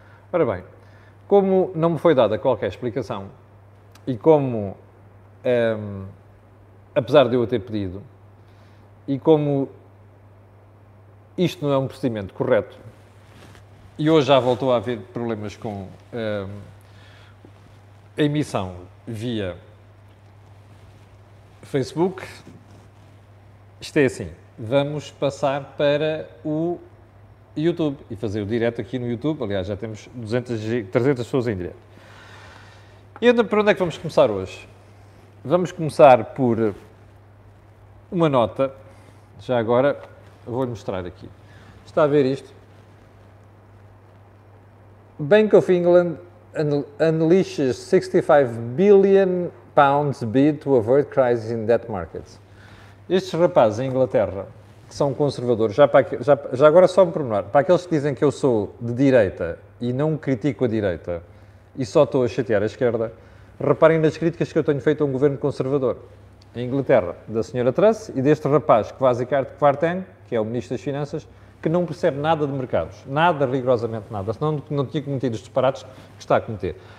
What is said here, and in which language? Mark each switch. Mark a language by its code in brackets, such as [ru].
[pt] Ora bem, como não me foi dada qualquer explicação e como, apesar de eu a ter pedido, e como isto não é um procedimento correto, e hoje já voltou a haver problemas com a emissão via Facebook, isto é assim, vamos passar para o YouTube e fazer o direto aqui no YouTube. Aliás, já temos 200, 300 pessoas em direto. E ainda por onde é que vamos começar hoje? Vamos começar por uma nota. Já agora vou-lhe mostrar aqui. Está a ver isto? [en] Bank of England unleashes 65 billion pounds bid to avoid crisis in debt markets. [pt] Estes rapazes em Inglaterra, que são conservadores, já agora só um pormenor, para aqueles que dizem que eu sou de direita e não critico a direita e só estou a chatear a esquerda, reparem nas críticas que eu tenho feito a um governo conservador em Inglaterra, da senhora Truss e deste rapaz Kwasi-Kwarteng, que é o ministro das Finanças, que não percebe nada de mercados, nada, rigorosamente nada, senão não tinha cometido os disparates que está a cometer.